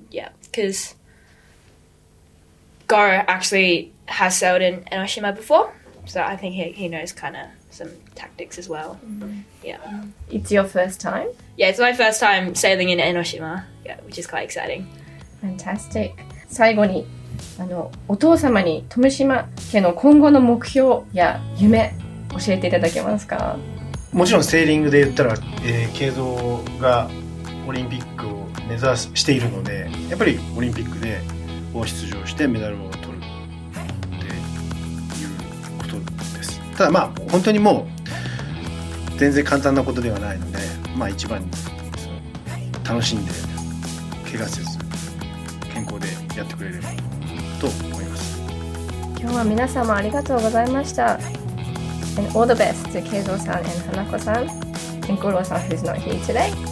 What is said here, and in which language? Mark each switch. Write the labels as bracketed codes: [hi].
[en] Yeah, because Goro actually has sailed in Enoshima before, so I think he knows kind of some tactics as well. Mm-hmm. Yeah. It's your first time? Yeah, it's my first time sailing in Enoshima, which is quite exciting. Fantastic. [ja] 最後に、お父様に富島家の今後の目標や夢教えていただけますか？もちろんセーリングで言ったら、慶三がオリンピックを目指しているので、やっぱりオリンピックで出場してメダルを取るっていうことです。ただまあ本当にもう全然簡単なことではないので、まあ一番に楽しんで怪我せず健康でやってくれればと思います。今日は皆様ありがとうございました。 [en] And all the best to 慶三さん and 花子さん and 五郎さん who's not here today